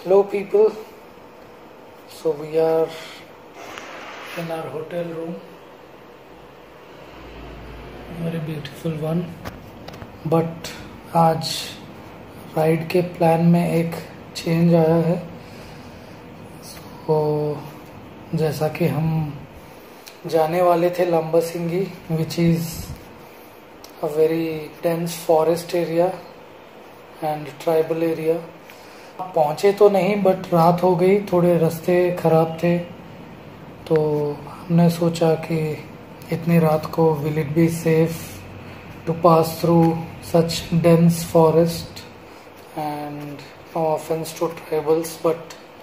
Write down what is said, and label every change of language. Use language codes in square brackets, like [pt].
[en] People, so we are in our hotel room, very beautiful one. [hi] But आज ride के plan में एक change आया है. [en] So [hi] जैसा कि हम जाने वाले थे [en] Lambasingi, which is a very dense forest area, and tribal area [hi] पहुँचे तो नहीं, [en] but [hi] रात हो गई, थोड़े रास्ते ख़राब थे, तो हमने सोचा कि इतनी रात को [en] will it be safe to pass through such dense forest and no offence to tribals but